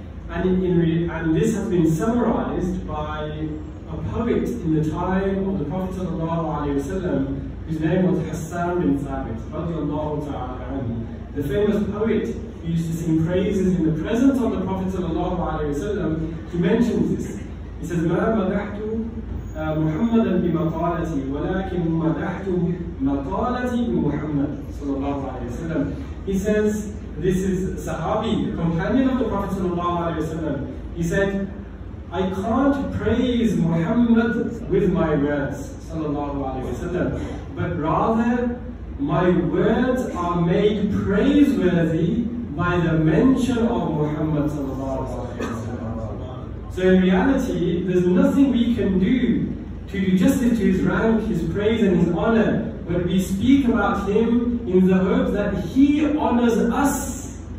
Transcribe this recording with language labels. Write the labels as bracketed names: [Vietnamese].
[English] And this has been summarized by a poet in the time of the Prophet sallallahu alayhi wa sallam, whose name was Hassan bin Thabit, radiallahu ta'ala anhu. The famous poet who used to sing praises in the presence of the Prophet sallallahu alayhi wa sallam, he mentions this. He says, [Arabic] مَا مَدَحْتُ مُحَمَّدًا بِمَقَالَتِي وَلَكِن مَدَحْتُ مَقَالَتِي بِمُحَمَّدٍ sallallahu alayhi wa sallam. [English] He says, this is Sahabi, the companion of the Prophet sallallahu alayhi wa sallam. He said, I can't praise Muhammad with my words, sallallahu alayhi wa sallam, but rather my words are made praiseworthy by the mention of Muhammad sallallahu alayhi wa sallam. So in reality, there's nothing we can do to do justice to his rank, his praise and his honor, but we speak about him in the hope that he honors us,